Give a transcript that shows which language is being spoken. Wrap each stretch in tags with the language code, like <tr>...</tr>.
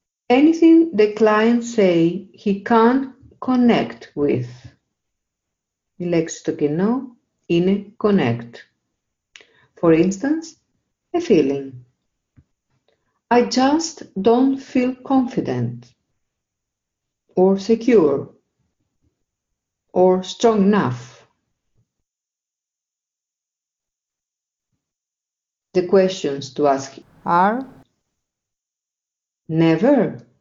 <en>Anything the client say he can't connect with.</en> <el>Η λέξη στο κοινό είναι connect.</el> <en>For instance, a feeling. I just don't feel confident or secure or strong enough. The questions to ask are never.</en>